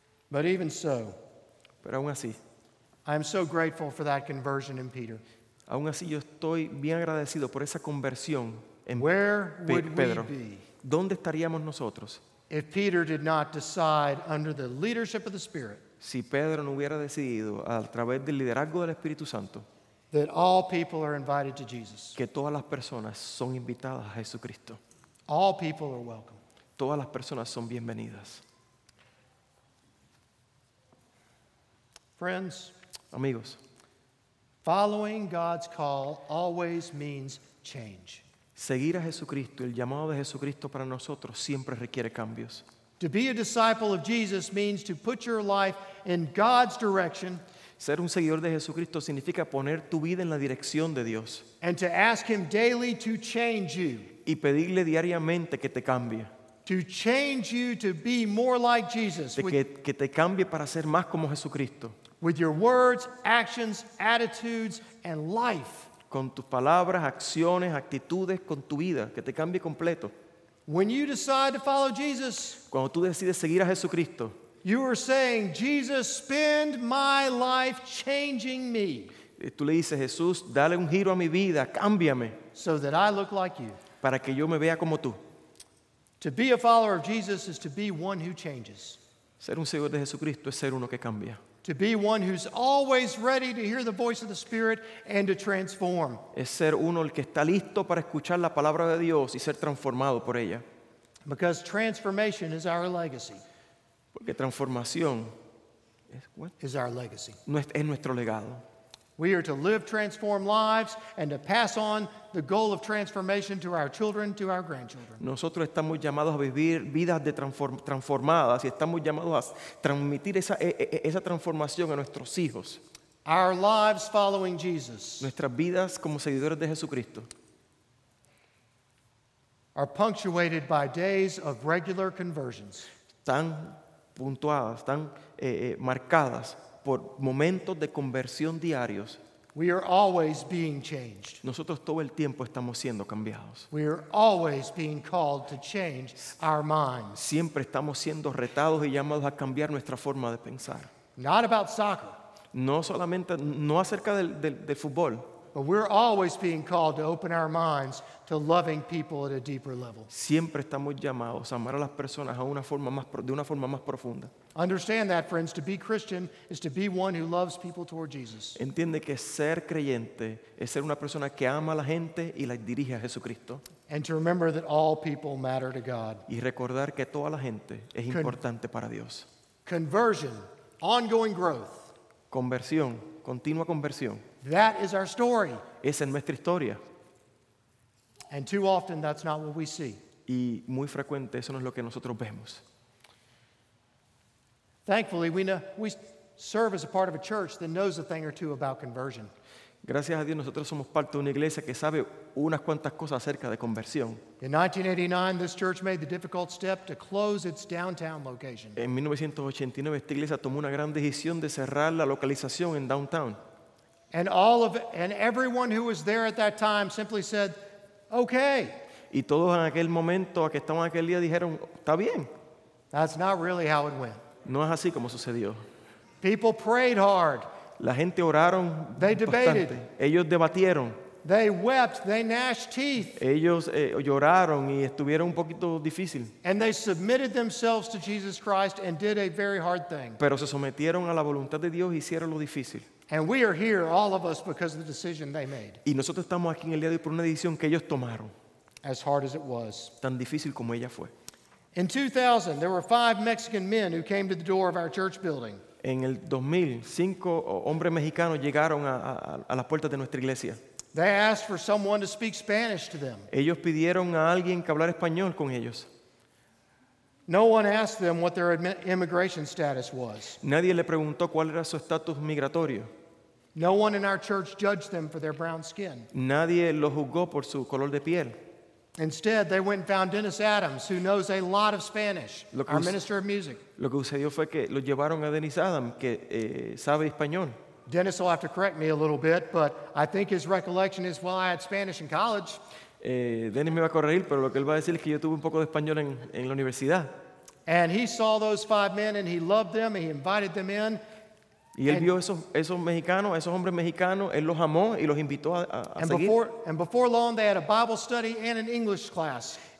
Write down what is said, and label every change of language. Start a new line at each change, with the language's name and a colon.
English: But even so,
Spanish: pero aún así,
English: I am so grateful for that conversion in Peter.
Spanish: Aún así, yo estoy bien agradecido por esa conversión en
English: Where
Spanish: Pedro.
English: Would we be?
Spanish: ¿Dónde estaríamos nosotros?
English: If Peter did not decide under the leadership of the Spirit.
Spanish: si Pedro no hubiera decidido a través del liderazgo del Espíritu Santo,
English: that all people are invited to Jesus.
Spanish: Que todas las personas son invitadas a Jesucristo.
English: All people are welcome.
Spanish: Todas las personas son bienvenidas.
English: Friends,
Spanish: amigos,
English: following God's call always means change.
Spanish: Seguir a Jesucristo, el llamado de Jesucristo para nosotros siempre requiere cambios.
English: To be a disciple of Jesus means to put your life in God's direction.
Spanish: Ser un seguidor de Jesucristo significa poner tu vida en la dirección de Dios.
English: And to ask him daily to change you.
Spanish: Y pedirle diariamente que te cambie.
English: To change you to be more like Jesus.
Spanish: Que te cambie para ser más como Jesucristo.
English: With your words, actions, attitudes, and life.
Spanish: Con tus palabras, acciones, actitudes, con tu vida, que te cambie completo.
English: When you decide to follow Jesus,
Spanish: cuando tú decides seguir a Jesucristo,
English: you are saying, Jesus, spend my life changing me.
Spanish: Tú le dices, Jesús, dale un giro a mi vida, cámbiame.
English: So that I look like you.
Spanish: Para que yo me vea como tú.
English: To be a follower of Jesus is to be one who changes.
Spanish: Ser un seguidor de Jesucristo es ser uno que cambia.
English: To be one who's always ready to hear the voice of the Spirit and to transform.
Spanish: Es ser uno el que está listo para escuchar la palabra de Dios y ser transformado por ella.
English: Because transformation is our legacy.
Spanish: Porque transformación
English: is, what? Is our legacy.
Spanish: Es nuestro legado.
English: We are to live transformed lives and to pass on the goal of transformation to our children, to our grandchildren.
Spanish: Nosotros estamos llamados a vivir vidas de transformadas y estamos llamados a transmitir esa transformación a nuestros hijos.
English: Our lives following Jesus.
Spanish: Nuestras vidas como seguidores de Jesucristo.
English: Are punctuated by days of regular conversions.
Spanish: Están puntuadas, están marcadas. Por momentos de conversión diarios.
English: We are always being changed.
Spanish: Nosotros todo el tiempo estamos siendo cambiados.
English: We are always being called to change our minds.
Spanish: Siempre estamos siendo retados y llamados a cambiar nuestra forma de pensar.
English: Not about soccer.
Spanish: No solamente, no acerca del fútbol.
English: But we're always being called to open our minds to loving people at a deeper level.
Spanish: Siempre estamos llamados a amar a las personas de una forma más profunda.
English: Understand that, friends, to be Christian is to be one who loves people toward Jesus.
Spanish: Entiende que ser creyente es ser una persona que ama a la gente y la dirige a Jesucristo.
English: And to remember that all people matter to God.
Spanish: Y recordar que toda la gente es importante para Dios.
English: Conversion, ongoing growth.
Spanish: Conversión, continua conversión.
English: That is our story.
Spanish: Esa es nuestra historia.
English: And too often that's not what we see.
Spanish: Y muy frecuente eso no es lo que nosotros vemos.
English: Thankfully, we serve as a part of a church that knows a thing or two about conversion.
Spanish: Gracias a Dios, nosotros somos parte de una iglesia que sabe unas cuantas cosas acerca de conversión.
English: In 1989, this church made the difficult step to close its downtown location.
Spanish: En 1989, esta iglesia tomó una gran decisión de cerrar la localización en downtown.
English: And everyone who was there at that time simply said, "Okay."
Spanish: Y todos en aquel momento, que estaban aquel día, dijeron, "Está bien."
English: That's not really how it went.
Spanish: No es así como sucedió.
English: People prayed hard.
Spanish: La gente oraron.
English: They debated.
Spanish: Bastante. Ellos debatieron.
English: They wept. They gnashed teeth.
Spanish: Ellos lloraron y estuvieron un poquito difícil.
English: And they submitted themselves to Jesus Christ and did a very hard thing.
Spanish: Pero se sometieron a la voluntad de Dios y hicieron lo difícil.
English: And we are here, all of us, because of the decision they made.
Spanish: Y nosotros estamos aquí en el día de hoy por una decisión que ellos tomaron.
English: As hard as it was.
Spanish: Tan difícil como ella fue.
English: In 2000, there were 5 Mexican men who came to the door of our church building.
Spanish: En el 2000, 5 hombres mexicanos llegaron a las puertas de nuestra iglesia.
English: They asked for someone to speak Spanish to them.
Spanish: Ellos pidieron a alguien que hablara español con ellos.
English: No one asked them what their immigration status was.
Spanish: Nadie le preguntó cuál era su estatus migratorio.
English: No one in our church judged them for their brown skin.
Spanish: Nadie los juzgó por su color de piel.
English: Instead, they went and found Dennis Adams, who knows a lot of Spanish, our minister of music.
Spanish: Lo que sucedió fue que lo llevaron a Dennis Adams, que sabe español.
English: Dennis will have to correct me a little bit, but I think his recollection is, well, I had Spanish in college.
Spanish: Dennis me va a corregir, pero lo que él va a decir es que yo tuve un poco de español en la universidad.
English: And he saw those 5 men, and he loved them, and he invited them in.
Spanish: Y él vio esos mexicanos, esos hombres mexicanos, él los amó y los invitó a seguir.
English: And before long, they had a Bible study and an English class.